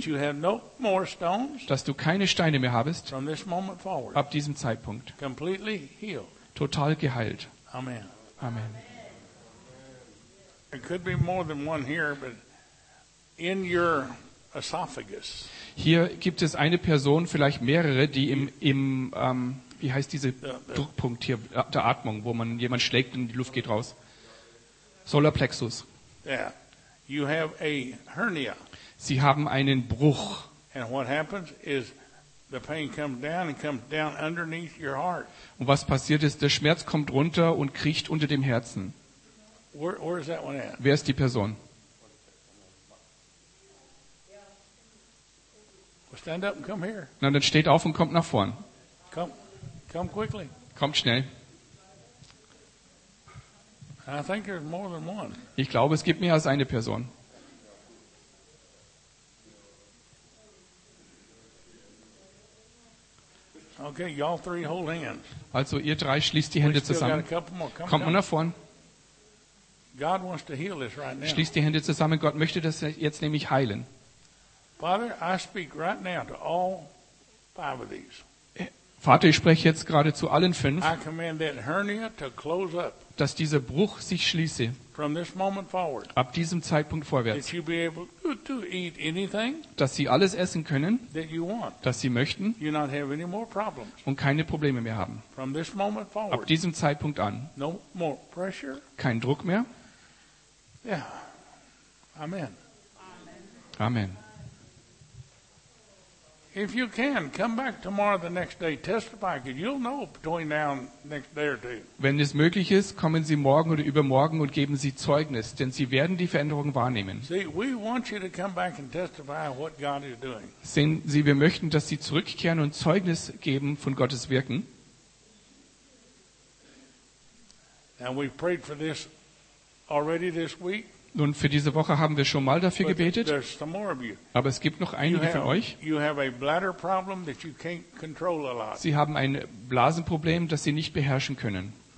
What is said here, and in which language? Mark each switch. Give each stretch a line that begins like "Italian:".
English: That you have no more stones.
German: Dass du keine Steine mehr habest.
English: From this moment forward.
German: Ab diesem Zeitpunkt.
English: Completely healed.
German: Total geheilt.
English: Amen.
German: Amen.
English: It could be more than one here, but in your esophagus.
German: Hier gibt es eine Person, vielleicht mehrere, die im wie heißt dieser Druckpunkt hier, der Atmung, wo man jemand schlägt und die Luft geht raus.
English: Solar Plexus. Yeah. You have a hernia.
German: Sie haben einen Bruch.
English: And what happens is the pain comes down and comes down underneath your heart.
German: Und was passiert ist, der Schmerz kommt runter und kriecht unter dem Herzen.
English: Where is that one at?
German: Wer ist die Person?
English: Stand up and come here.
German: Na, dann steht auf und kommt nach vorn.
English: Come quickly.
German: Kommt schnell.
English: I think there's more than one.
German: Ich glaube, es gibt mehr als eine Person.
English: Okay, y'all three hold hands.
German: Also ihr drei schließt die Hände zusammen. Kommt mal nach vorn.
English: God wants to heal this right now.
German: Schließt die Hände zusammen. Gott möchte das jetzt nämlich heilen.
English: Father, I speak right now to all five of these.
German: Vater, ich spreche jetzt gerade zu allen fünf,
English: I command that hernia to close up.
German: Dass dieser Bruch sich schließe.
English: From this moment forward.
German: Ab diesem Zeitpunkt vorwärts.
English: That you be able to eat anything,
German: dass sie alles essen können,
English: that you want.
German: Dass sie möchten,
English: you not have any more problems.
German: Und keine Probleme mehr haben.
English: From this moment forward.
German: Ab diesem Zeitpunkt an.
English: No more pressure.
German: Kein Druck mehr.
English: Yeah. Amen.
German: Amen.
English: If you can, come back tomorrow the next day, testify, because you'll know between now and next day or two.
German: Wenn es möglich ist, kommen Sie morgen oder übermorgen und geben Sie Zeugnis, denn Sie werden die Veränderung wahrnehmen.
English: See, we want you to come back and testify what God is doing.
German: Sehen Sie, wir möchten, dass Sie zurückkehren und Zeugnis geben von Gottes Wirken.
English: And we prayed for this already this week.
German: Nun, für diese Woche haben wir schon mal dafür gebetet, aber es gibt noch einige von euch. Sie haben ein Blasenproblem, das Sie nicht beherrschen können.